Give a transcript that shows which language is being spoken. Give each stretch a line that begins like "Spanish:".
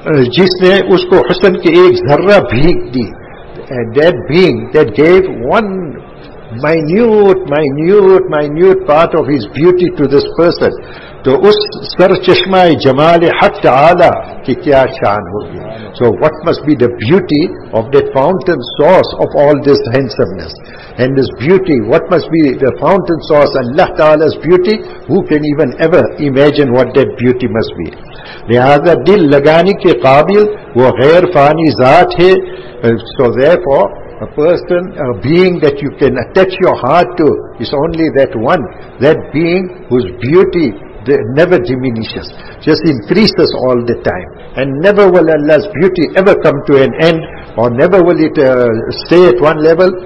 Urdu: Jisne usko husn ke ek zarra bheeg di,
English: that being that gave one minute part of his beauty to this person, to
Urdu: us sar chashmai jamal haq taala ki kya shaan hogi.
English: So what must be the beauty of that fountain source of all this handsomeness? And this beauty, what must be the fountain source, Allah Ta'ala's beauty? Who can even ever imagine what that beauty must be?
Urdu: لہذا دل لگانے کے قابل وہ غیر فانی ذات ہے.
English: So therefore, a person, a being that you can attach your heart to, is only that one, that being whose beauty never diminishes, just increases all the time. And never will Allah's beauty ever come to an end, or never will it stay at one level.